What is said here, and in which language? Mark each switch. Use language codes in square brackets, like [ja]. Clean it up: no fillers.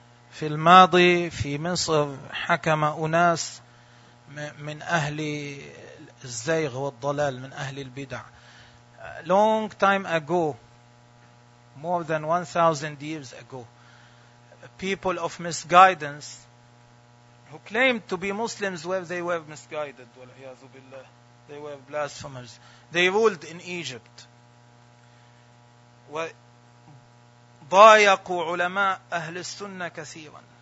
[ar] في الماضي في مصر حكم أناس من أهل الزيغ والضلال, من أهل البدع. [en] Long time ago, more than 1,000 years ago, people of misguidance who claimed to be Muslims, where they were misguided, they were blasphemers, they ruled in Egypt. [ar] ضايقوا علماء أهل السنة كثيرا.